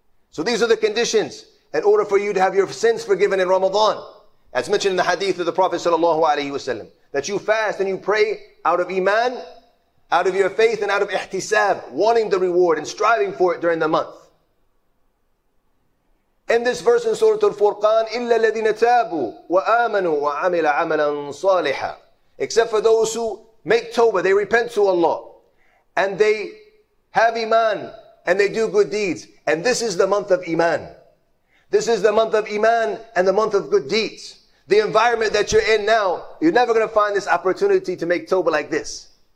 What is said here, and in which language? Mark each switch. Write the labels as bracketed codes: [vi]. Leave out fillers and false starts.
[en] So these are the conditions in order for you to have your sins forgiven in Ramadan. As mentioned in the hadith of the Prophet sallallahu alayhi wasallam, that you fast and you pray out of iman, out of your faith and out of ihtisab, wanting the reward and striving for it during the month. In this verse in Surah Al-Furqan, [ar] إِلَّا الَّذِينَ تَابُوا وَآمَنُوا وَعَمِلَ عَمَلًا صَالِحًا. [en] Except for those who make tawbah, they repent to Allah, and they have iman, and they do good deeds. And this is the month of iman. This is the month of iman and the month of good deeds. The environment that you're in now, you're never going to find this opportunity to make tawbah like this.